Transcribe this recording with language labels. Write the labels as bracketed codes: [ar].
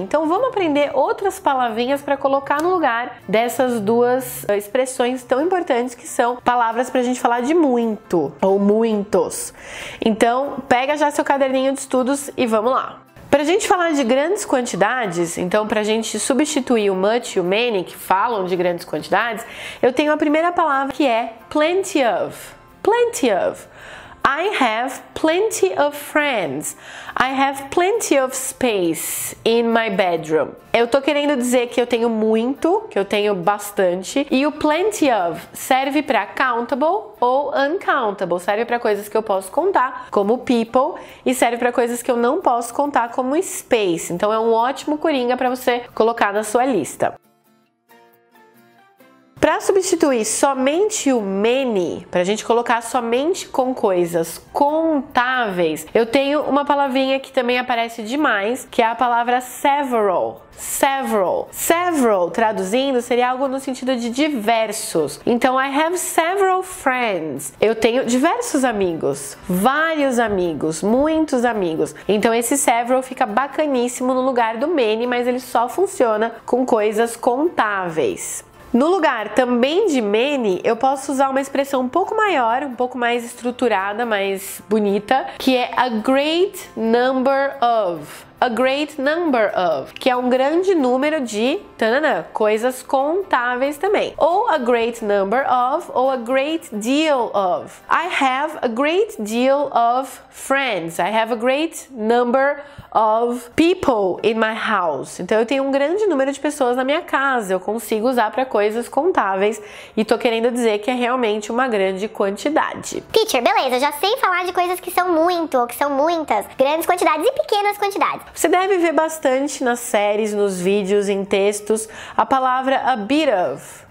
[pt] Então vamos aprender outras palavrinhas para colocar no lugar dessas duas expressões tão importantes, que são palavras para a gente falar de muito ou muitos. Então pega já seu caderninho de estudos e vamos lá. Para a gente falar de grandes quantidades, então para a gente substituir o much e o many, que falam de grandes quantidades, eu tenho a primeira palavra, que é plenty of. [en] Plenty of. I have plenty of friends. I have plenty of space in my bedroom. [pt] Eu tô querendo dizer que eu tenho muito, que eu tenho bastante. E o plenty of serve para countable ou uncountable. Serve para coisas que eu posso contar, como people, e serve para coisas que eu não posso contar, como space. Então é um ótimo coringa para você colocar na sua lista. Para substituir somente o many, para a gente colocar somente com coisas contáveis, eu tenho uma palavrinha que também aparece demais, que é a palavra several. Several. Several, traduzindo, seria algo no sentido de diversos. [en] Então, I have several friends. [pt] Eu tenho diversos amigos, vários amigos, muitos amigos. Então, esse several fica bacaníssimo no lugar do many, mas ele só funciona com coisas contáveis. No lugar também de many, eu posso usar uma expressão um pouco maior, um pouco mais estruturada, mais bonita, que é a great number of. [en] A great number of, [pt] que é um grande número de, tanana, coisas contáveis também. [en] Ou a great number of, ou a great deal of. I have a great deal of friends. I have a great number of people in my house. [pt] Então eu tenho um grande número de pessoas na minha casa. Eu consigo usar para coisas contáveis. E tô querendo dizer que é realmente uma grande quantidade. Teacher, beleza, já sei falar de coisas que são muito, ou que são muitas, grandes quantidades e pequenas quantidades. Você deve ver bastante nas séries, nos vídeos, em textos, a palavra a bit of.